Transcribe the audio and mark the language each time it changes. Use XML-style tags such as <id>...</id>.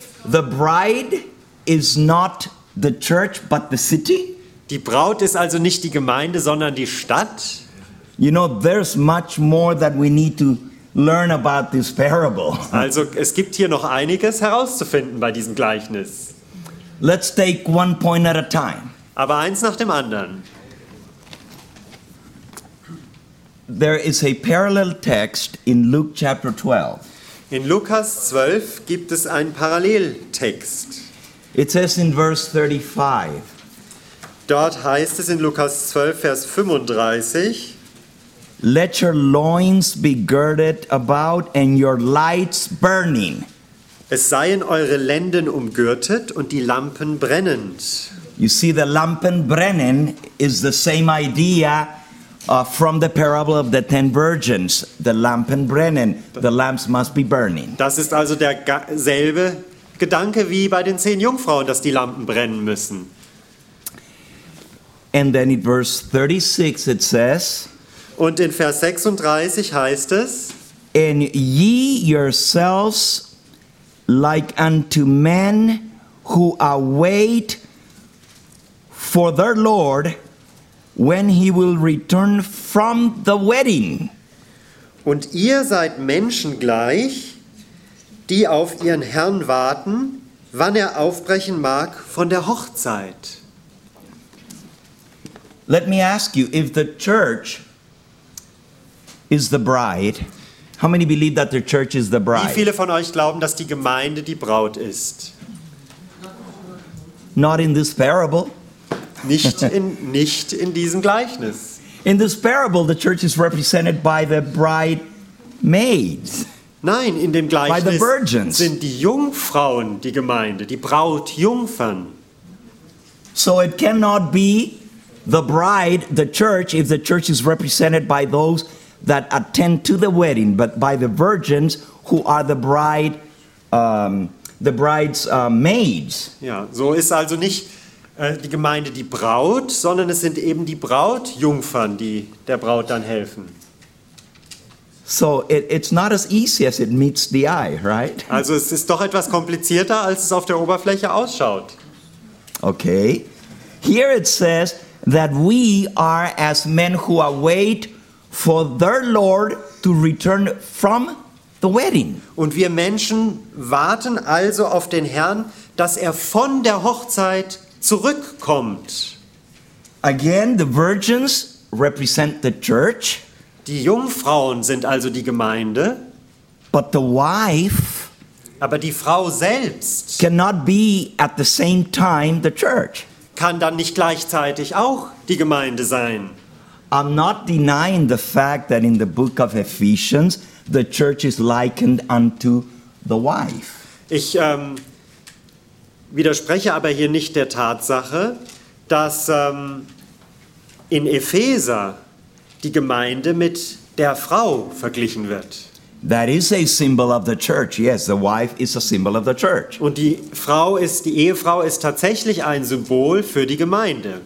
<en>The bride is not the church, but the city?</en> <de>Die Braut ist also nicht die Gemeinde, sondern die Stadt?</de> <en>You know, there's much more that we need to learn about this parable.</en> <de>Also, es gibt hier noch einiges herauszufinden bei diesem Gleichnis.</de> <en>Let's take one point at a time.</en> <de>Aber eins nach dem anderen.</de> <en>There is a parallel text in Luke chapter 12.</en> <de>In Lukas 12 gibt es einen Paralleltext.</de> <en>It says in verse 35.</en> <de>Dort heißt es in Lukas 12, Vers 35.</de> <en>Let your loins be girded about and your lights burning.</en> <de>Es seien eure Lenden umgürtet und die Lampen brennend.</de> <en>You see, the</en> <de>Lampen brennen</de> <en>is the same idea from the parable of the ten virgins. The</en> <de>Lampen brennen,</de> <en>the lamps must be burning.</en> <de>Das ist also derselbe Gedanke wie bei den zehn Jungfrauen, dass die Lampen brennen müssen.</de> <en>And then in verse 36 it says,</en> <de>und in Vers 36 heißt es,</de> <en>and ye yourselves like unto men who await for their Lord when he will return from the wedding.</en> <de>Und ihr seid Menschen gleich, die auf ihren Herrn warten, wann er aufbrechen mag von der Hochzeit.</de> <en>Let me ask you, if the church is the bride, how many believe that the church is the bride?</en> <de>Wie viele von euch glauben, dass die Gemeinde die Braut ist?</de> <en>Not in this parable.</en> <de>nicht in diesem Gleichnis.</de> <en>In this parable, the church is represented by the bride maids.</en> <de>Nein, in dem Gleichnis</de> <en>by the virgins.</en> <de>Sind die Jungfrauen die Gemeinde, die Brautjungfern.</de> <en>So it cannot be the bride, the church, if the church is represented by those that attend to the wedding, but by the virgins who are the bride, the bride's maids.</en> <de>Ja, so ist also nicht die Gemeinde die Braut, sondern es sind eben die Brautjungfern, die der Braut dann helfen.</de> <en>So it's not as easy as it meets the eye, right?</en> <de>Also es ist doch etwas komplizierter, als es auf der Oberfläche ausschaut.</de> <en>Okay. Here it says that we are as men who await for their Lord to return from the wedding.</en> <de>Und wir Menschen warten also auf den Herrn, dass er von der Hochzeit zurückkommt.</de> <en>Again, the virgins represent the church.</en> <de>Die Jungfrauen sind also die Gemeinde.</de> <en>But the wife,</en> <de>aber die Frau selbst,</de> <en>cannot be at the same time the church.</en> <de>Kann dann nicht gleichzeitig auch die Gemeinde sein.</de> <en>I'm not denying the fact that in the book of Ephesians the church is likened unto the wife.</en> <de>Ich widerspreche aber hier nicht der Tatsache, dass in Epheser die Gemeinde mit der Frau verglichen wird.</de> <en>That is a symbol of the church. Yes, the wife is a symbol of the church.</en> <de>Und die Ehefrau ist tatsächlich ein Symbol für die Gemeinde.</de>